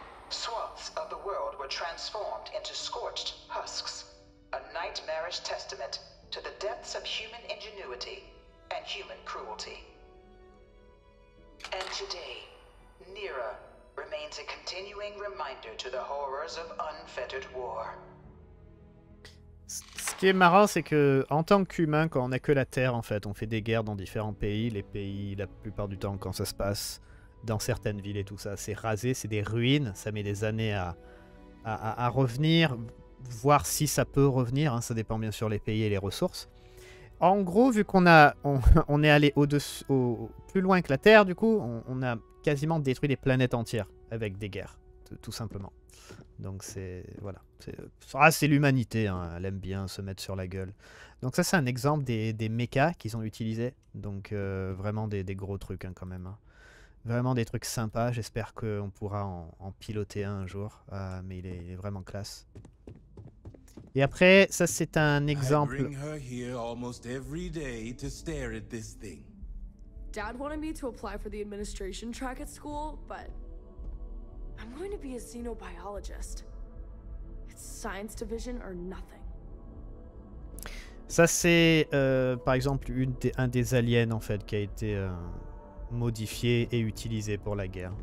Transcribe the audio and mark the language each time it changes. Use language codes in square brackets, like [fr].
[en] Swaths of the world were transformed into scorched husks. A nightmarish testament to the depths of human ingenuity and human cruelty. And today, Nera remains a continuing reminder to the horrors of unfettered war. [fr] Ce qui est marrant, c'est que en tant qu'humain, quand on a que la Terre, en fait, on fait des guerres dans différents pays. Les pays, la plupart du temps, quand ça se passe dans certaines villes et tout ça, c'est rasé, c'est des ruines. Ça met des années à revenir. Voir si ça peut revenir, hein, ça dépend bien sûr les pays et les ressources. En gros, vu qu'on est allé plus loin que la Terre, du coup, on a quasiment détruit des planètes entières avec des guerres, tout simplement. Donc c'est... Voilà. C'est l'humanité, hein, elle aime bien se mettre sur la gueule. Donc ça, c'est un exemple des mechas qu'ils ont utilisés. Donc vraiment des gros trucs hein, quand même. Hein. Vraiment des trucs sympas, j'espère qu'on pourra en piloter un jour, mais il est vraiment classe. Et après, ça c'est un exemple. [en] Dad wanted me to apply for the administration track at school, but I'm going to be a xenobiologist. It's science division or nothing. [fr] Ça c'est par exemple un des aliens en fait qui a été modifié et utilisé pour la guerre.